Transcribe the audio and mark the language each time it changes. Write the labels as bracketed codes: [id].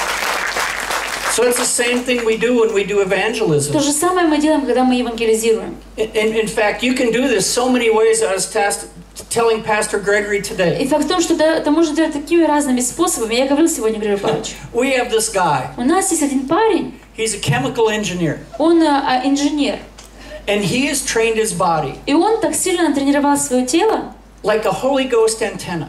[en] Yeah. So it's the same thing we do when we do evangelism. [ru] То же самое мы делаем, когда мы евангелизируем. [en] In fact, you can do this so many ways. I was tested. Telling Pastor Gregory today. [ru] И факт в том, что это можно делать такими разными способами. Я говорил сегодня Григорию Павловичу. [en] We have this guy. [ru] У нас есть один парень. [en] He's a chemical engineer. [ru] Он инженер. [en] And he has trained his body. [ru] И он так сильно натренировал свое тело. [en] Like a Holy Ghost antenna.